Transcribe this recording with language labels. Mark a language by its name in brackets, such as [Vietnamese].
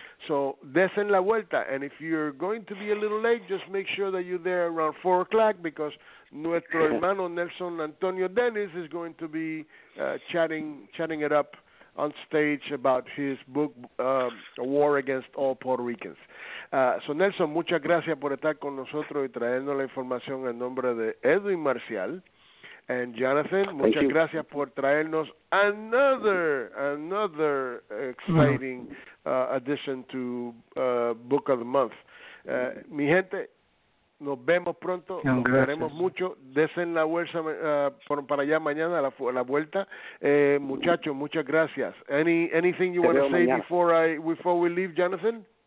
[English] So, [Spanish] desen la vuelta, [English] and if you're going to be a little late, just make sure that you're there around 4 o'clock, because [Spanish] nuestro hermano [English] Nelson Antonio Dennis is going to be chatting it up on stage about his book, A War Against All Puerto Ricans. [Spanish] So, Nelson, muchas gracias por estar con nosotros y traernos la información en nombre de Edwin Marcial. [English] And Jonathan, [Spanish] muchas gracias por traernos [English] another exciting addition to Book of the Month. [Spanish] Mi gente, nos vemos pronto, nos veremos mucho. Desen la vuelta para allá mañana, la vuelta. Muchachos, muchas gracias. [English] Anything you want to say before we leave, Jonathan?